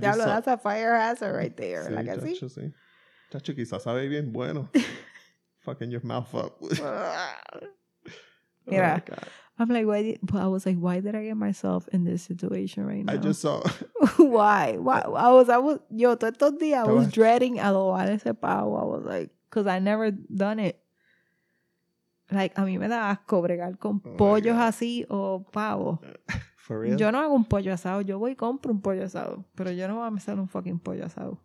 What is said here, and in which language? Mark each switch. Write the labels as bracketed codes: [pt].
[es] Ya lo das a fire hazard right there. Sí, ¿verdad que chacho, sí? Chacho, quizás sabe bien bueno. [en] Fucking your mouth up. Mira, oh I'm like, why did I get myself in this situation right now? I just saw. Why? Why? I was, yo, todos estos días, I was dreading adobar ese pavo. I was like, because I never done it. [es] Like, a mí me da asco bregar con pollos así o pavo. [en] For real? [es] Yo no hago un pollo asado. Yo voy y compro un pollo asado. Pero yo no voy a hacer un fucking pollo asado.